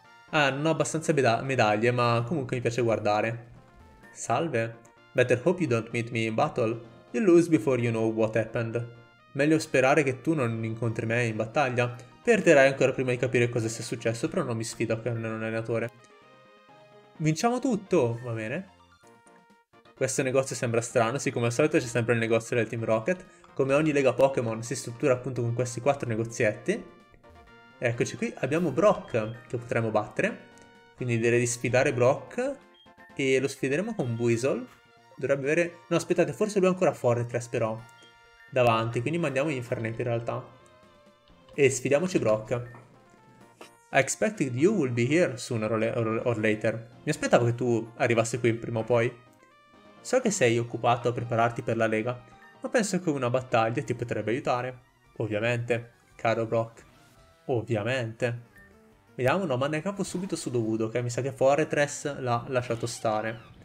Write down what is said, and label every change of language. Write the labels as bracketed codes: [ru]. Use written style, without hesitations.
[it] Ah, non ho abbastanza medaglie, ma comunque mi piace guardare. Salve. [en] Better hope you don't meet me in battle. You lose before you know what happened. [it] Meglio sperare che tu non incontri me in battaglia. Perderai ancora prima di capire cosa sia successo, però non mi sfido che non è un allenatore. Vinciamo tutto, va bene. Questo negozio sembra strano, siccome al solito c'è sempre il negozio del Team Rocket. Come ogni Lega Pokémon si struttura appunto con questi quattro negozietti. Eccoci qui, abbiamo Brock che potremmo battere. Quindi direi di sfidare Brock e lo sfideremo con Buizel. dovrebbe avere... No, aspettate, forse lui è ancora Fortress però. Davanti, quindi mandiamo Infernape in realtà. E sfidiamoci Brock. [en] I expected you will be here sooner or later. [it] Mi aspettavo che tu arrivassi qui prima o poi. So che sei occupato a prepararti per la Lega, ma penso che una battaglia ti potrebbe aiutare. Ovviamente, caro Brock. Ovviamente. Vediamo, no, manda in campo subito su Dovudo, che mi sa che Fortress l'ha lasciato stare.